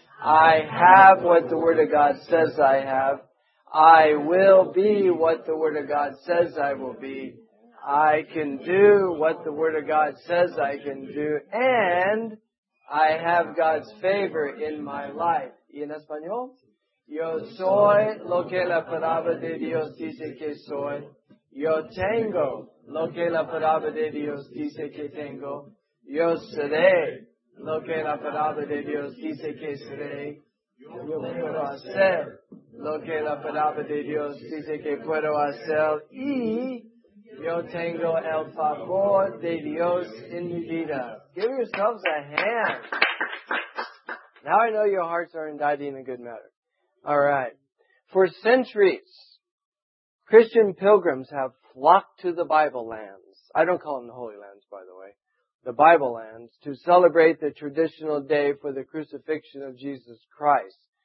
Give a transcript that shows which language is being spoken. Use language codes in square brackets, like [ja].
[en] I have what the Word of God says I have. I will be what the Word of God says I will be. I can do what the Word of God says I can do. And I have God's favor in my life. [es] ¿Y en español? Yo soy lo que la palabra de Dios dice que soy. Yo tengo lo que la palabra de Dios dice que tengo. Yo seré lo que la palabra de Dios dice que seré. Yo puedo hacer lo que la palabra de Dios dice que puedo hacer. Y yo tengo el favor de Dios en mi vida. [en] Give yourselves a hand. Now I know your hearts are indicting a good matter. All right. For centuries, Christian pilgrims have flocked to the Bible lands. I don't call them the Holy Lands, by the way. The Bible lands, to celebrate the traditional day for the crucifixion of Jesus Christ.